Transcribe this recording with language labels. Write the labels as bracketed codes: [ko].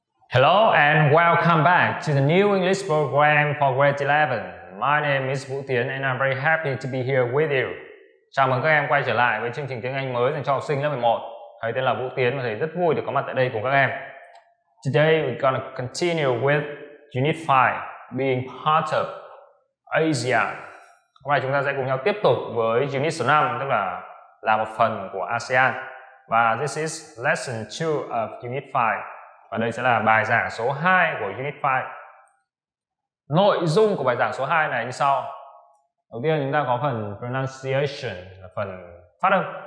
[en] Hello and welcome back to the new English program for grade 11. My name is Vũ Tiến and I'm very happy to be here with you. [vi] Chào mừng các em quay trở lại với chương trình tiếng Anh mới dành cho học sinh lớp 11. Thầy tên là Vũ Tiến và thầy rất vui được có mặt tại đây cùng các em. [en] Today we're gonna continue with Unit 5, Being Part of Asia. [vi] Hôm nay chúng ta sẽ cùng nhau tiếp tục với Unit số 5, tức là một phần của ASEAN. Và [en] this is Lesson 2 of Unit 5. [vi] Và đây sẽ là bài giảng số 2 của Unit 5. Nội dung của bài giảng số 2 này như sau. Đầu tiên chúng ta có phần pronunciation, là phần phát âm.